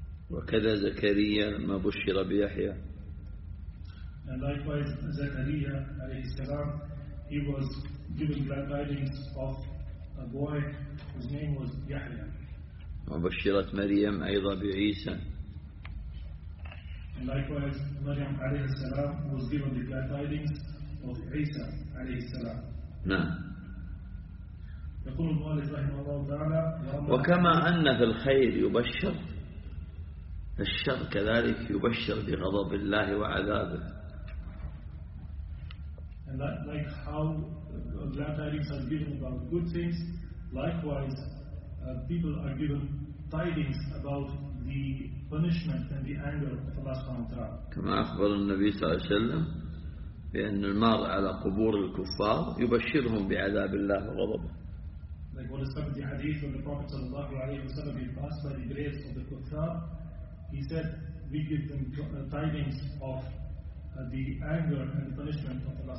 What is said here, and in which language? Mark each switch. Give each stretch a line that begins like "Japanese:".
Arabic: وكذا زكريا لما بشر بيحيى.
English: And likewise زكريا
Arabic: عليه السلام
English: he was given glad tidings of a boy whose name was يحيى.
Arabic: وبشرت مريم أيضا بعيسى.
English: And likewise مريم
Arabic: عليه السلام
English: was given the glad tidings of عيسى عليه السلام.
Arabic: نعم. يقول المؤلف رحمه الله تعالى وكما أن في الخير يبشر الشر كذلك يبشر بغضب الله وعذابه.
English: And that, like how glad tidings are given about good things, likewise people are given tidings about the punishment and the anger of Allah subhanahu wa ta'ala.
Arabic: كما أخبر النبي صلى الله عليه وسلم بأن المار على قبور الكفار يبشرهم بعذاب الله وغضبه.
English: Like what is said in the hadith of the Prophet
Arabic: صلى الله عليه وسلم
English: he passed by the graves of the kuffar. He said, we give them tidings of the anger and the punishment of Allah